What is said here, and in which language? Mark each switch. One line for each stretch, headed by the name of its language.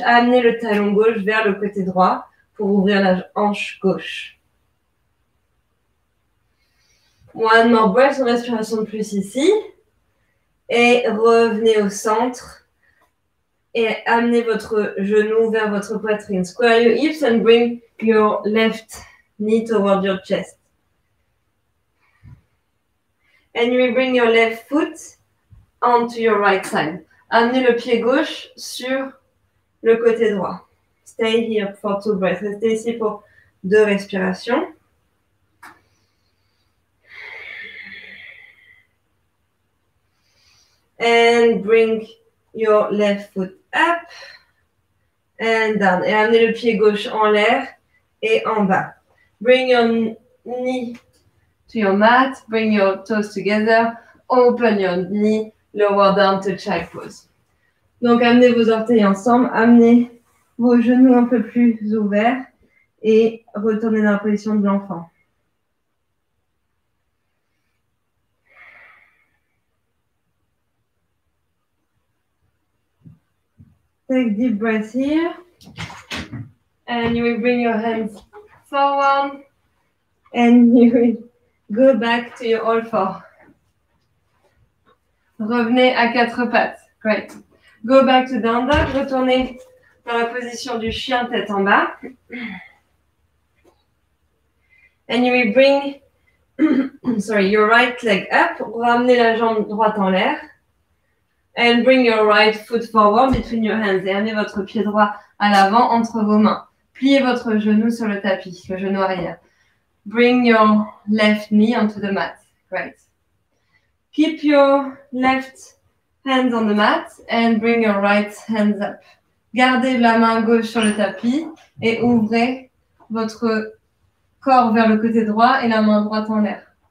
French: Amenez le talon gauche vers le côté droit pour ouvrir la hanche gauche.
English: One more breath,
French: une respiration de plus ici. Et revenez au centre et amenez votre genou vers votre poitrine.
English: Square your hips and bring your left knee toward your chest. And you bring your left foot onto your right side.
French: Amenez le pied gauche sur le côté droit.
English: Stay here for two breaths.
French: Restez ici pour deux respirations.
English: And bring your left foot up and down.
French: Et amenez le pied gauche en l'air et en bas.
English: Bring your knee to your mat. Bring your toes together. Open your knee. Lower down to child pose.
French: Donc, amenez vos orteils ensemble. Amenez vos genoux un peu plus ouverts et retournez dans la position de l'enfant.
English: Take deep breath here. And you will bring your hands forward. And you will go back to your all four.
French: Revenez à quatre pattes.
English: Great. Go back to down dog.
French: Retournez dans la position du chien tête en bas.
English: And you will bring, sorry, your right leg up.
French: Ramenez la jambe droite en l'air.
English: And bring your right foot forward between your hands.
French: Et amenez votre pied droit à l'avant entre vos mains. Pliez votre genou sur le tapis, le genou arrière.
English: Bring your left knee onto the mat. Great. Keep your left hands on the mat and bring your right hands up.
French: Gardez la main gauche sur le tapis et ouvrez votre corps vers le côté droit et la main droite en l'air.